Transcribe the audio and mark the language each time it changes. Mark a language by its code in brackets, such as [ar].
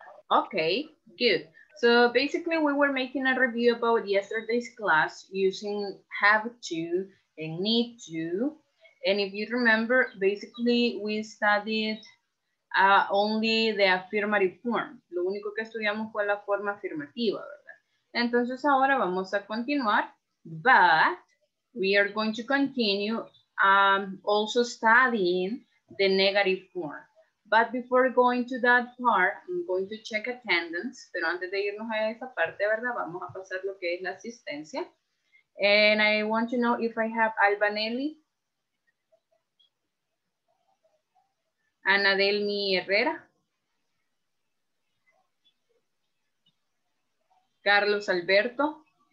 [en] Okay, good. So basically we were making a review about yesterday's class using have to and need to. And if you remember, basically we studied only the affirmative form. [es] Lo único que estudiamos fue la forma afirmativa, ¿verdad? Entonces ahora vamos a continuar, [en] but we are going to continue also studying the negative form. But before going to that part, I'm going to check attendance. [es] Pero antes de irnos a esa parte, ¿verdad? Vamos a pasar lo que es la asistencia. [en] And I want to know if I have Albanelli. Anadelmi Herrera. Carlos Alberto.